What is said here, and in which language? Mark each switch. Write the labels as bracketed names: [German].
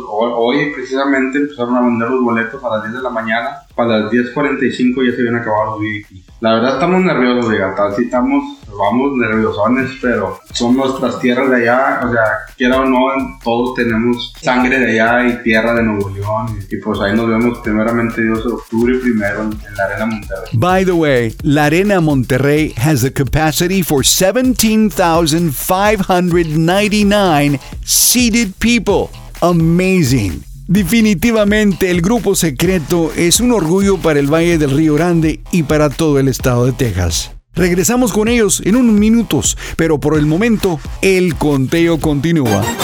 [Spanish] Hoy precisamente empezaron a vender los boletos a las 10 de la mañana, para las 10:45 ya se habían acabado los VIP. La verdad estamos nerviosos, oiga, tal si vamos nerviosones, pero son nuestras tierras de allá, o sea, quiera o no, todos tenemos sangre de allá y tierra de Nuevo León, y pues ahí nos vemos primeramente Dios octubre primero en la Arena Monterrey. [English] By the way, la Arena Monterrey has the capacity for 17,599 seated people. Amazing. [Spanish] Definitivamente, el Grupo Secreto es un orgullo para el Valle del Río Grande y para todo el estado de Texas. Regresamos con ellos en unos minutos, pero por el momento, el conteo continúa.